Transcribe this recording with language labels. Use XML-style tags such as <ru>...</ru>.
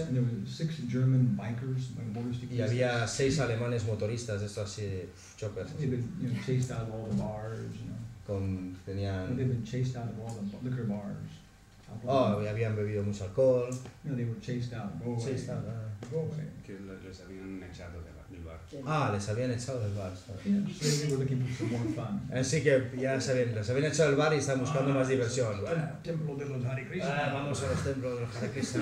<en>And there were six German bikers, like motorist</en> <es>y había seis alemanes motoristas, estos así de choppers.</es> <en>They've been chased out of all the liquor bars.</en> <es>Habían bebido mucho alcohol.</es> <en>You know, they were chased out.</en> <es>Les habían echado del bar. Les habían echado del bar.</es> <en>Yeah, they were looking for some more fun.</en> <es>Así que ya sabían, les habían echado del bar y estaban buscando más diversión. Templo de los Hare Krishna. Vamos a los templos de los Hare Krishna.</es>